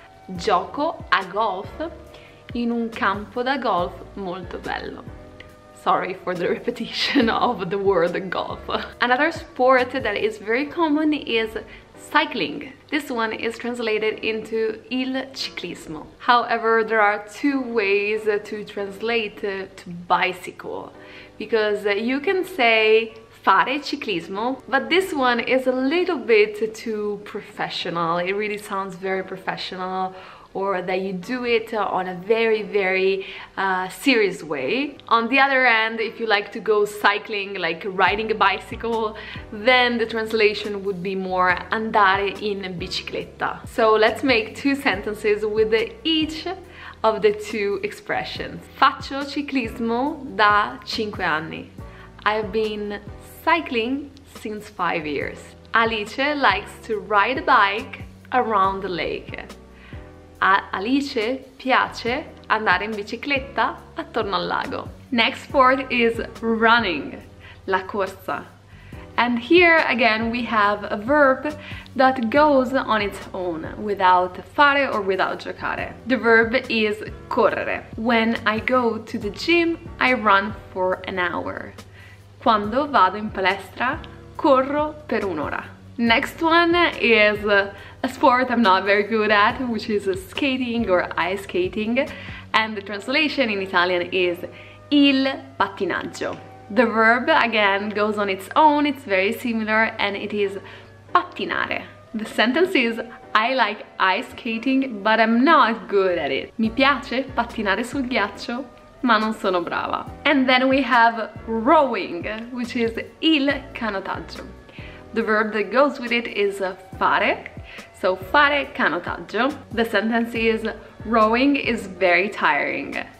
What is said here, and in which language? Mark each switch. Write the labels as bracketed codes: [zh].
[it] Gioco a golf in un campo da golf molto bello. [en] Sorry for the repetition of the word golf. Another sport that is very common is cycling. This one is translated into il ciclismo. However, there are two ways to translate to bicycle, because you can say fare ciclismo, but this one is a little bit too professional. It really sounds very professional, or that you do it on a very, very serious way. On the other hand, if you like to go cycling, like riding a bicycle, then the translation would be more andare in bicicletta. So let's make two sentences with each of the two expressions. Faccio ciclismo da 5 anni. I've been cycling since 5 years. Alice likes to ride a bike around the lake. [it] A Alice piace andare in bicicletta attorno al lago. [en] Next sport is running, la corsa. And here again we have a verb that goes on its own, without fare or without giocare. The verb is correre. When I go to the gym, I run for an hour. [it] Quando vado in palestra, corro per un'ora. [en] Next one is a sport I'm not very good at, which is skating or ice skating, and the translation in Italian is il pattinaggio. The verb again goes on its own, it's very similar, and it is pattinare. The sentence is I like ice skating, but I'm not good at it. [it] Mi piace pattinare sul ghiaccio, ma non sono brava. [en] And then we have rowing, which is il canotaggio. The verb that goes with it is fare, so fare canotaggio. The sentence is rowing is very tiring.